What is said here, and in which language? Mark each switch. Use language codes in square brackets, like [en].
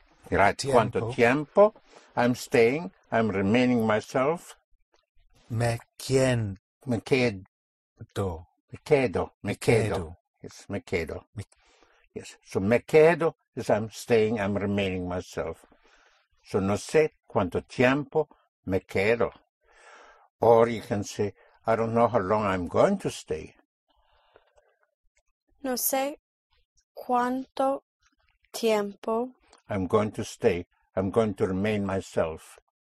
[en] Right. Tiempo. [es] Quanto tiempo? [en] I'm staying. I'm remaining myself. [es] Me quien? Me quedo. Me quedo. Me quedo. Yes, me quedo. Yes. [en] So me quedo is I'm staying. I'm remaining myself. [es] So no sé cuánto tiempo me quedo. [en] Or you can say, I don't know how long I'm going to stay. [es] No sé cuánto tiempo. [en] I'm going to stay. I'm going to remain myself.